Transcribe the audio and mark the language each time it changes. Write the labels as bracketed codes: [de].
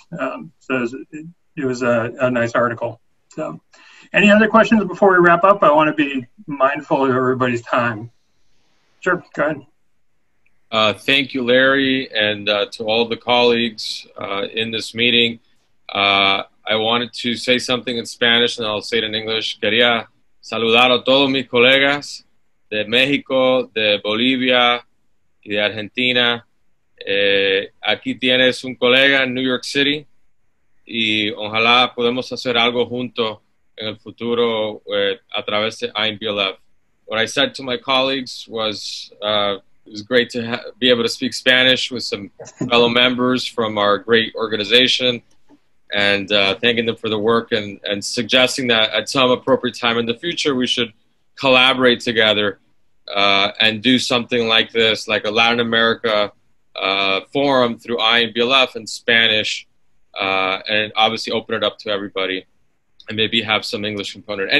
[en] So it was a nice article. So any other questions before we wrap up? I want to be mindful of everybody's time. Sure, go ahead. Thank you, Larry, and to all the colleagues in this meeting. I wanted to say something in Spanish, and I'll say it in English. [es] Quería saludar a todos mis colegas de México, de Bolivia, y de Argentina. Aquí tienes un colega en New York City, y ojalá podemos hacer algo junto en el futuro a través de IMBLF. [en] What I said to my colleagues was it was great to be able to speak Spanish with some fellow members from our great organization, and thanking them for the work and suggesting that at some appropriate time in the future we should collaborate together and do something like this, like a Latin America forum through IMBLF in Spanish, and obviously open it up to everybody and maybe have some English component.